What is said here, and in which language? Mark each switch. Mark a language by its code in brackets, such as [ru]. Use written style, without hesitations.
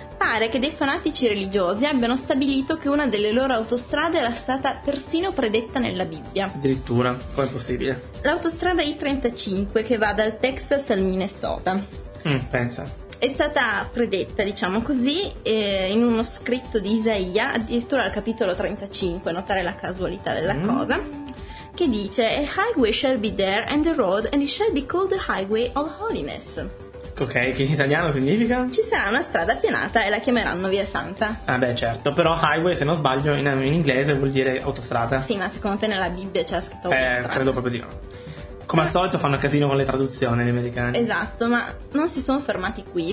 [it] Pare che dei fanatici religiosi abbiano stabilito che una delle loro autostrade era stata persino predetta nella Bibbia. Addirittura, com'è possibile? L'autostrada I-35 che va dal Texas al Minnesota. Pensa. È stata predetta, diciamo così, in uno scritto di Isaia, addirittura al capitolo 35, notare la casualità della cosa. Che dice: [en] a highway shall be there and a road, and it shall be called the highway of holiness. [it] Ok, che in italiano significa? Ci sarà una strada appianata e la chiameranno via santa. Ah beh, certo, però highway, se non sbaglio, in inglese vuol dire autostrada. Sì, ma secondo te nella Bibbia c'è scritto autostrada? Credo proprio di no. Come al solito fanno casino con le traduzioni gli americani. Esatto, ma non si sono fermati qui,